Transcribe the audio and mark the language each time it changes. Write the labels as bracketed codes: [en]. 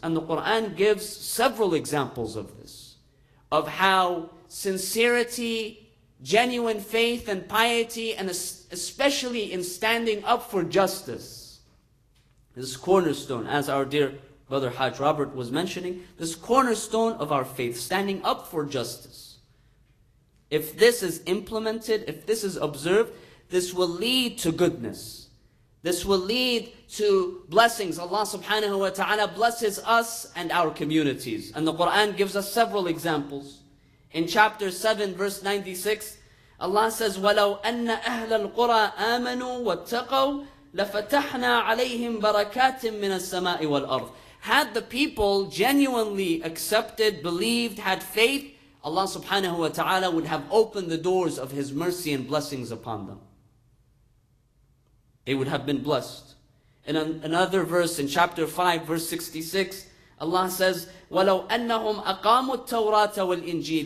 [en] And the Quran gives several examples of this, of how sincerity, genuine faith and piety, and especially in standing up for justice, this cornerstone, as our dear brother Hajj Robert was mentioning, this cornerstone of our faith, standing up for justice. If this is implemented, if this is observed, this will lead to goodness. This will lead to blessings. Allah subhanahu wa ta'ala blesses us and our communities. And the Quran gives us several examples. In chapter 7, verse 96, Allah says, [ar] وَلَوْ أَنَّ أَهْلَ الْقُرَىٰ آمَنُوا وَاتَّقَوْا لَفَتَحْنَا عَلَيْهِمْ بَرَكَاتٍ مِّنَ السَّمَاءِ وَالْأَرْضِ. [en] Had the people genuinely accepted, believed, had faith, Allah subhanahu wa ta'ala would have opened the doors of His mercy and blessings upon them. They would have been blessed. In another verse, in chapter 5, verse 66, Allah says, [ar] وَلَوْ أَنَّهُمْ أَقَامُوا التَّوْرَاةَ وَالْإِنْجِيلِ.